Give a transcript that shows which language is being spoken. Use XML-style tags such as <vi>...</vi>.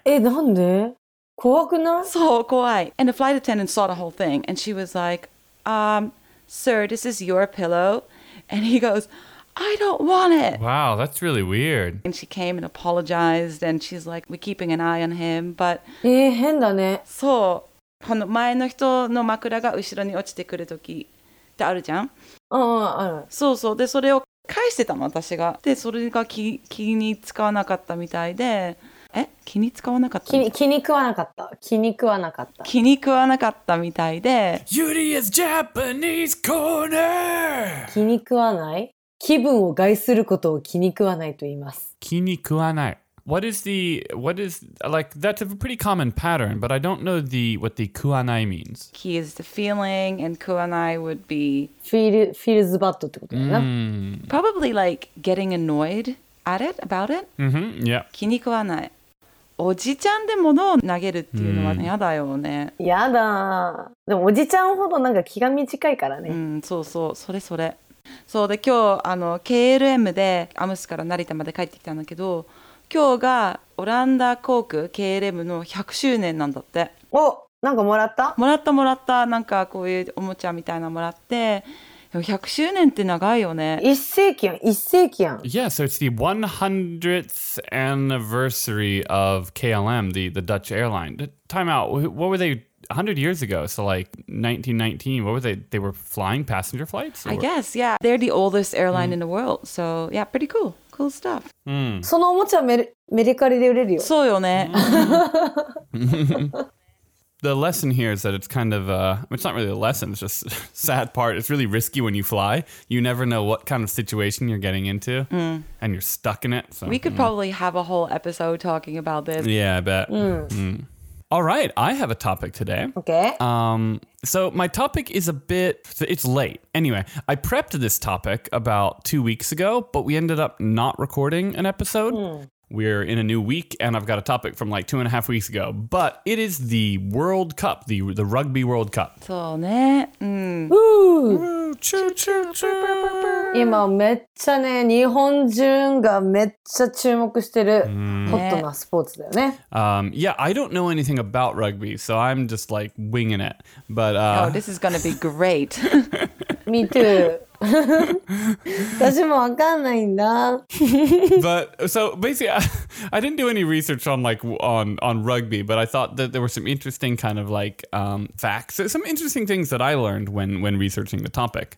<ja>なんで?怖くない? そう、怖い。</ja> <en>And the flight attendant saw the whole thing and she was like, Sir, this is your pillow. And he goes, I don't want it. Wow, that's really weird. And she came and apologized. And she's like, we're keeping an eye on him. But...</en> <ja>変だね。そう。この前の人の枕が後ろに落ちてくる時ってあるじゃん。ある。そうそう。で、それを返してたの、私が。で、それが気に使わなかったみたいで。え気に使わなかった気に食わなかった気に食わなかった気に食わなかったみたいで</ja> <en>Yuri is Japanese corner!</en> <ja>気に食わない気分を害することを気に食わないと言います気に食わない</ja> <en>What is the... What is... Like, that's a pretty common pattern, but I don't know what the 食わない means. 気 is the feeling, and 食わない would be... Feels bad</en> <ja>ってことだな、</ja> <en>mm. Probably like getting annoyed at it, about it. Mm-hmm. Yeah.</en> <ja>気に食わないおじちゃんで物を投げるっていうのはね、やだよね。やだ。でもおじちゃんほどなんか気が短いからね。うん、そうそう、それそれ。そうで、今日、KLM でアムスから成田まで帰ってきたんだけど、今日がオランダ航空 KLM の100周年なんだって。お、なんかもらった？もらったもらった。なんかこういうおもちゃみたいなもらって、100周年って長いよね。 1世紀やん、1世紀やん。</ja> <en>Yeah, so it's the 100th anniversary of KLM, the Dutch airline. Time out, what were they 100 years ago, so like 1919, what were they? They were flying passenger flights? Or? I guess, yeah. They're the oldest airline in the world. So yeah, pretty cool. Cool stuff.</en> <ja>そのおもちゃメルカリで売れるよ。そうよね。</ja> <en>The lesson here is that it's kind of, it's not really a lesson, it's just a sad part. It's really risky when you fly. You never know what kind of situation you're getting into, and you're stuck in it. So, we could probably have a whole episode talking about this. Yeah, I bet. All right, I have a topic today. Okay. So my topic is a bit, it's late. Anyway, I prepped this topic about 2 weeks ago, but we ended up not recording an episode. We're in a new week, and I've got a topic from like 2.5 weeks ago. But it is the World Cup, the Rugby World Cup.</en> <ja>そうね。</ja> <en>Woo! Choo choo choo!</en> <ja>今めっちゃね、日本中がめっちゃ注目してるホットなスポーツだよね。</ja> <en>Yeah, I don't know anything about rugby, so I'm just like winging it. But, Oh, this is gonna be great. Me too.</en> <ja>私もわかんないんだ。</ja> <en>But so basically, I didn't do any research on like on rugby, but I thought that there were some interesting kind of like facts, some interesting things that I learned when researching the topic.</en>